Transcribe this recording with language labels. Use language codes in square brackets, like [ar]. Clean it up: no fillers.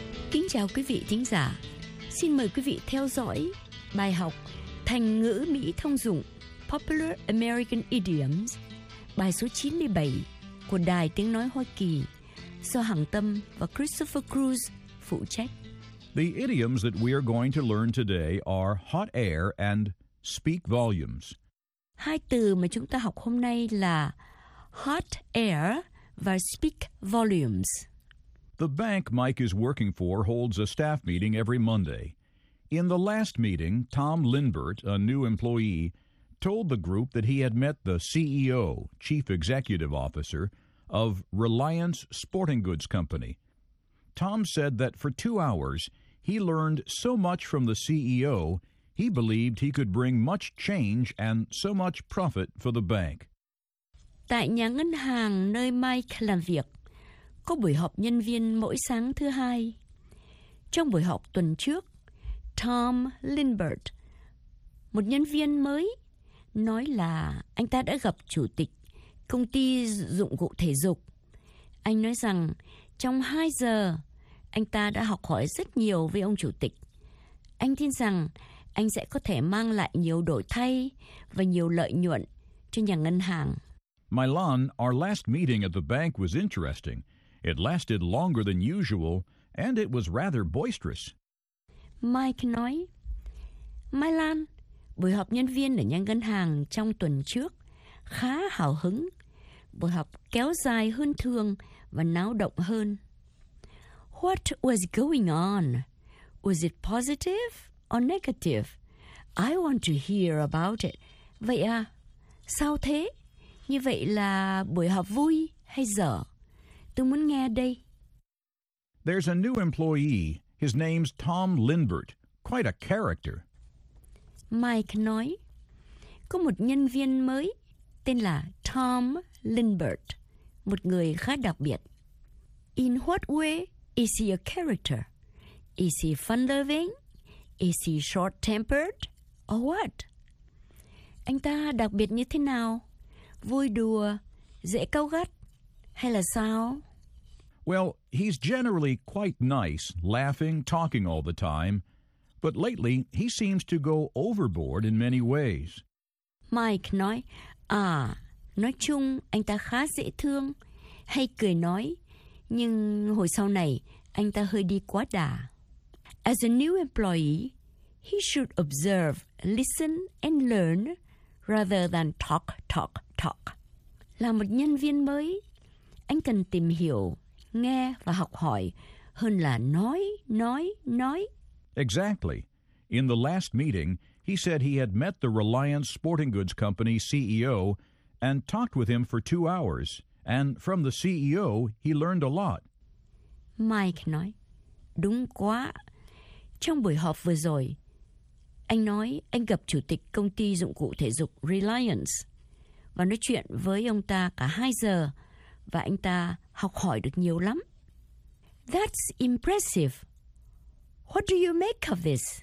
[vi] Kính chào quý vị thính giả. Xin mời quý vị theo dõi bài học thành ngữ Mỹ thông dụng Popular American Idioms, bài số 97 của Đài Tiếng Nói Hoa Kỳ do Hằng Tâm và Christopher Cruz phụ trách. [en] The idioms that we are going to learn today are hot air and speak volumes. [vi] Hai từ mà chúng ta học hôm nay là hot air và speak volumes. [en] The bank Mike is working for holds a staff meeting every Monday. In the last meeting, Tom Linbert, a new employee, told the group that he had met the CEO, Chief Executive Officer, of Reliance Sporting Goods Company. Tom said that for 2 hours, he learned so much from the CEO, He believed he could bring much change and so much profit for the bank. [vi] Tại nhà ngân hàng nơi Mike làm việc, có buổi họp nhân viên mỗi sáng thứ hai. Trong buổi họp tuần trước, Tom Lindbergh, một nhân viên mới, nói là anh ta đã gặp chủ tịch công ty dụng cụ thể dục. Anh nói rằng trong 2 giờ, anh ta đã học hỏi rất nhiều với ông chủ tịch. Anh tin rằng anh sẽ có thể mang lại nhiều đổi thay và nhiều lợi nhuận cho nhà ngân hàng. [en] Milan, our last meeting at the bank was interesting. It lasted longer than usual, and it was rather boisterous. [vi] Mike nói, Milan, buổi họp nhân viên ở nhà ngân hàng trong tuần trước khá hào hứng. Buổi họp kéo dài hơn thường và náo động hơn. [en] What was going on? Was it positive or negative? I want to hear about it. [vi] Vậy à, sao thế? Như vậy là buổi họp vui hay dở? Tôi muốn nghe đây. [en] There's a new employee. His name's Tom Lindbergh. Quite a character. [vi] Mike nói, có một nhân viên mới tên là Tom Lindbergh, một người khá đặc biệt. [en] In what way is he a character? Is he fun-loving? Is he short-tempered? Or what? [vi] Anh ta đặc biệt như thế nào? Vui đùa, dễ cáu gắt, hay là sao? [en] Well, he's generally quite nice, laughing, talking all the time. But lately, he seems to go overboard in many ways. [vi] Mike nói, à, nói chung, anh ta khá dễ thương, hay cười nói, nhưng hồi sau này, anh ta hơi đi quá đà. [en] As a new employee, he should observe, listen, and learn, rather than talk, talk, talk. [vi] Là một nhân viên mới, anh cần tìm hiểu, nghe và học hỏi, hơn là nói, nói, nói. [en] Exactly. In the last meeting, he said he had met the Reliance Sporting Goods Company CEO and talked with him for 2 hours. And from the CEO, he learned a lot. [vi] Mike nói, đúng quá. Trong buổi họp vừa rồi, anh nói anh gặp chủ tịch công ty dụng cụ thể dục Reliance và nói chuyện với ông ta cả 2 giờ và anh ta học hỏi được nhiều lắm. [en] That's impressive. What do you make of this?